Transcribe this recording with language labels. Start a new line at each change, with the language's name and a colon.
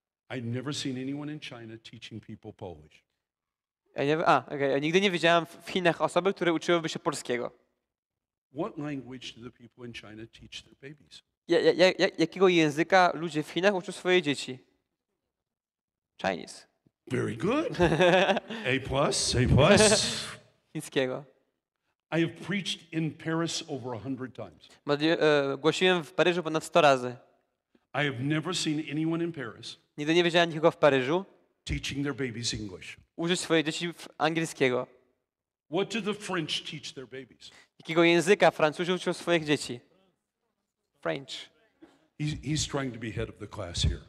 English: I've never seen anyone in China teaching people Polish.
Polish: Ja nigdy nie widziałem w Chinach osoby, które uczyłyby się polskiego.
English: What language do the people in China teach their babies?
Polish: Jakiego języka ludzie w Chinach uczą swoje dzieci?
English: Chinese. Very good. A plus.
Polish: Chińskiego.
English: I have preached in Paris over 100 times.
Polish: Głosiłem w Paryżu ponad 100 razy.
English: I have never seen anyone in Paris.
Polish: Nigdy nie widziałem nikogo w Paryżu.
English: Teaching their babies English.
Polish: Uczyć swoje dzieci angielskiego.
English: What do the French teach their babies?
Polish: Jakiego języka Francuzi uczą swoich dzieci?
English: French. He's trying to be head of the class here.